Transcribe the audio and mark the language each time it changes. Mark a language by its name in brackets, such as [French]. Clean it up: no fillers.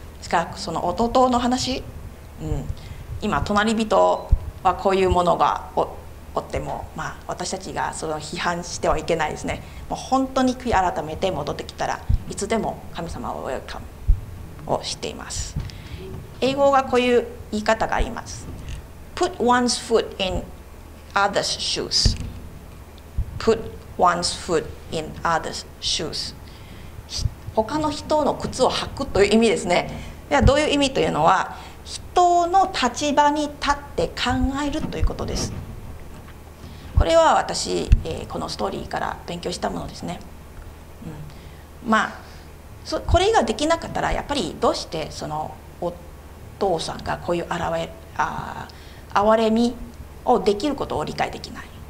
[Japanese] しかしその弟の話、今隣人はこういうものがおっても、まあ、私たちがその批判してはいけないですね。もう本当に悔い改めて戻ってきたらいつでも神様をウェルカムをしています。英語がこういう言い方があります。 [English] Put one's foot in others' shoes. Put one's foot in others' shoes. [Japanese] 他の人の靴を履くという意味ですね。ではどういう意味というのは、人の立場に立って考えるということです。これは私、このストーリーから勉強したものですね。まあこれができなかったら、やっぱりどうしてそのお父さんがこういう哀れみをできることを理解できない。